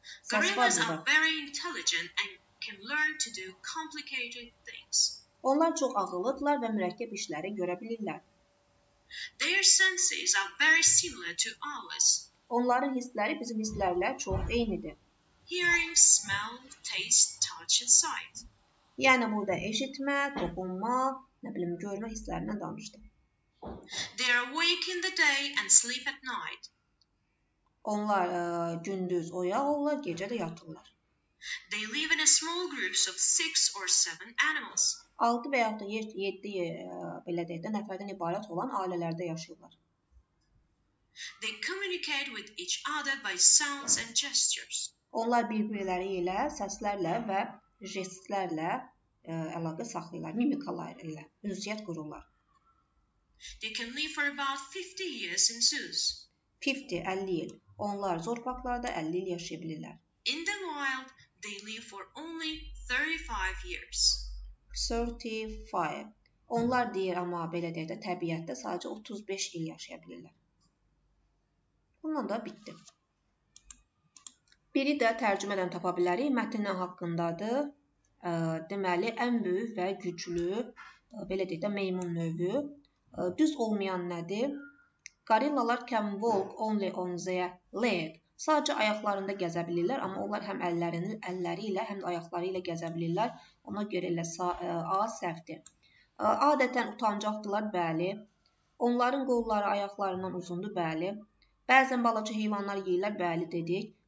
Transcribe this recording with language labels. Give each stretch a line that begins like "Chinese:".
English: Gorillas are very intelligent and can learn to do complicated things.
Azerbaijani: Onlar çox ağıllıdırlar və mürəkkəb işləri görə bilirlər.
English: Their senses are very similar to ours.
Azerbaijani: Onların hissləri bizim hisslərlə çox eynidir.
English: Hearing, smell, taste, touch and sight.
Azerbaijani: Yəni burada eşitmə, toxunma, nə bilim, görmə hisslərindən danışdım.
English: They are awake in the day and sleep at night.
Azerbaijani: Onlar gündüz oyaq olurlar, gecə də yatırlar.
English: They live in a small groups of 6 or 7 animals.
Azerbaijani: 6 və yaxud da 7 belə deyək də nəfərdən ibarət olan ailələrdə yaşayırlar.
English: They communicate with each other by sounds and gestures.
Azerbaijani: Onlar bir-birləri ilə səslərlə və jestlərlə əlaqə saxlayırlar, mimikalar ilə ünsiyyət qururlar.
English: They can live for about 50 years in zoos.
Azerbaijani: 50 il. Onlar zorbaqlarda 50 il yaşaya bilirlər.
English: In the wild, they live for only 35 years. 35.
Azerbaijani: Onlar deyir, amma belə deyək də, təbiətdə sadəcə 35 il yaşaya bilirlər. Bundan da bitdi. Biri də tərcümədən tapa bilərik. Mətnin haqqındadır. Deməli, ən böyük və güclü, belə deyək də, meymun növü. Düz olmayan nədir?
English: Gorillalar can walk only on their leg.
Azerbaijani: Sadəcə ayaqlarında gəzə bilirlər, amma onlar həm əlləri ilə, həm də ayaqları ilə gəzə bilirlər. Ona görə elə A səhvdir. Adətən utancaqdırlar, bəli. Onların qolları ayaqlarından uzundur, bəli. Bəzən balaca heyvanlar yeyirlər, bəli dedik.